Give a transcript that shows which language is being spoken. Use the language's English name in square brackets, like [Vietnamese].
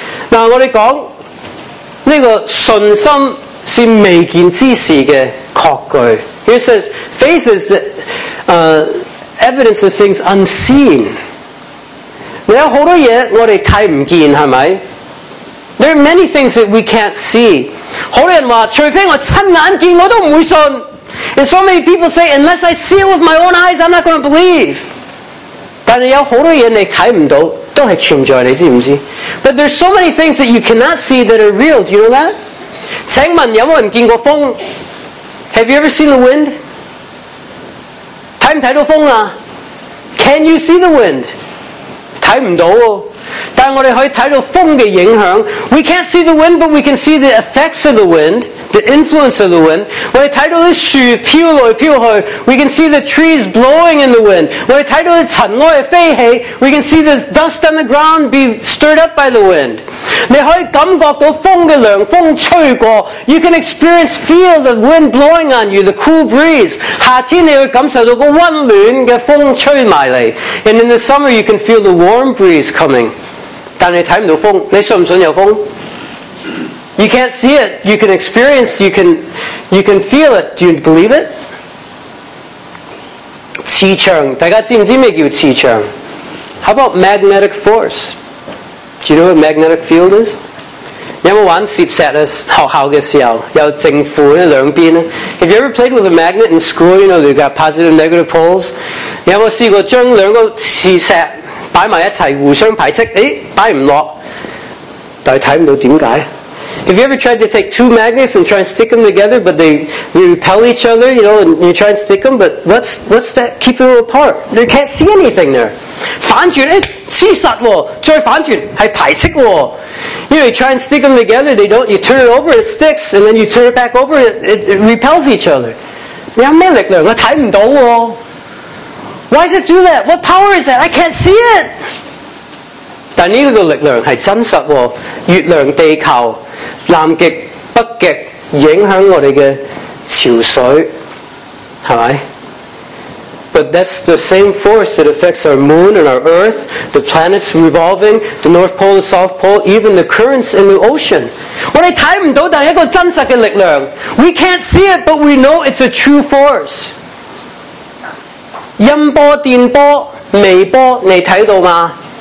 [Cantonese] 嗱，我哋讲呢个信心是未见之事嘅确据。 [English] He says faith is the evidence of things unseen. [Cantonese] 你有好多嘢我哋睇唔见，系咪 [English] ？There are many things that we can't see. [Cantonese] 好多人话，除非我亲眼见，我都唔会信。 [English] And so many people say, unless I see it with my own eyes, I'm not going to believe. [Cantonese] 但系有好多嘢你睇唔到。都是存在，你知唔知？ [English] But there's so many things that you cannot see that are real. Do you know that? [Cantonese] 请问有冇人见过风？ [English] Have you ever seen the wind? [Cantonese] 睇唔睇到风啊？ [English] Can you see the wind? [Cantonese] 睇唔到哦。但我哋可以睇到风嘅影响。 [English] We can't see the wind, but we can see the effects of the wind, the influence of the wind. [Cantonese] 我哋睇到啲树飘来飘去。 [English] We can see the trees blowing in the wind. [Cantonese] 我哋睇到啲尘埃飞起。 [English] We can see the dust on the ground be stirred up by the wind. [Cantonese] 你可以感觉到风嘅凉风吹过。 [English] You can experience feel the wind blowing on you, the cool breeze. [Cantonese] 夏天你会感受到个温暖嘅风吹埋嚟。 [English] And in the summer you can feel the warm breeze coming. [Cantonese] 但你睇唔到风，你信唔信有风？ [English] You can't see it. You can experience. You can feel it. Do you believe it? [Cantonese] 磁场，大家知唔知咩叫磁场？ [English] How about magnetic force? Do you know what magnetic field is? [Cantonese] 有冇玩摄石咧？学校嘅时候有正负咧两边咧。 [English] Have you ever played with a magnet in school? You know they've got positive and negative poles. [Cantonese] 有冇试过将两个磁石？摆埋一齐，互相排斥，诶，摆唔落，但系睇唔到点解。 [English] Have you ever tried to take two magnets and try and stick them together, but they repel each other? You know, and you try and stick them, but what's that keeping them apart? You can't see anything there. [Cantonese] 反转，诶，磁石喎，再反转，系排斥喎。 [English] You know, you try and stick them together, they don't. You turn it over, it sticks, and then you turn it back over, it repels each other. [Cantonese] 有咩力量？我睇唔到喎。 [English] Why does it do that? What power is that? I can't see it. [Cantonese] 但呢个力量系真实喎，月亮、地球、南极、北极影响我哋嘅潮水，系咪？ [English] But that's the same force that affects our moon and our earth, the planets revolving, the North Pole, the South Pole, even the currents in the ocean. [Cantonese] 我哋睇唔到，但系一个真实嘅力量。 [English] We can't see it, but we know it's a true force. [Cantonese] 音波、电波、微波，你睇到吗？